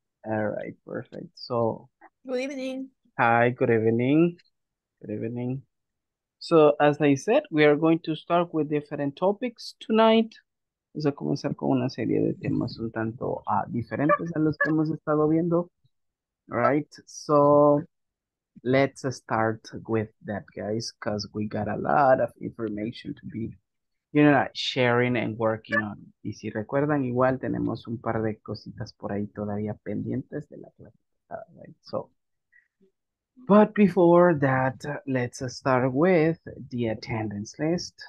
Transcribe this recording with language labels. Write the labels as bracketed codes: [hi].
[en] All right, perfect. So, Good evening. hi, good evening. Good evening. So, as I said, we are going to start with different topics tonight. [es] Vamos a comenzar con una serie de temas un tanto diferentes a los que hemos estado viendo. [en] Right? So, let's start with that, guys, because we got a lot of information to be, you know, sharing and working on. [es] Y si recuerdan, igual tenemos un par de cositas por ahí todavía pendientes de la clase. [en] Right? So, but before that, let's start with the attendance list.